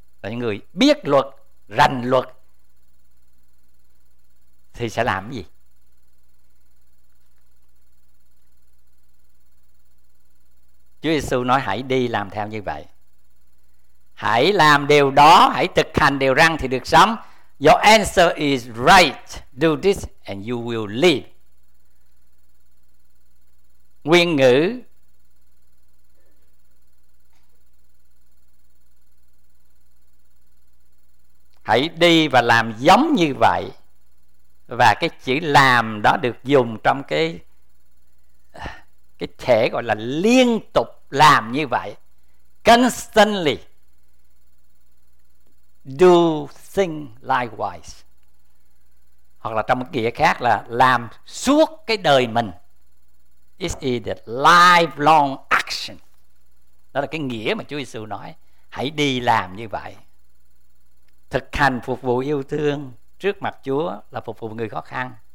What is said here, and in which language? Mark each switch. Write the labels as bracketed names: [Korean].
[Vietnamese] Là những người biết luật, rành luật thì sẽ làm cái gì? Chúa Giêsu nói hãy đi làm theo như vậy. Hãy làm điều đó, hãy thực hành điều răn thì được sống. [English] Your answer is right. Do this and you will live. [Vietnamese] Nguyên ngữ hãy đi và làm giống như vậy, và cái chữ làm đó được dùng trong cái thể gọi là liên tục làm như vậy. [English] Constantly do things likewise. [Vietnamese] Hoặc là trong một nghĩa khác là làm suốt cái đời mình. [English] It is a lifelong action. [Vietnamese] Đó là cái nghĩa mà Chúa Giêsu nói. Hãy đi làm như vậy. Thực hành phục vụ yêu thương trước mặt Chúa là phục vụ người khó khăn.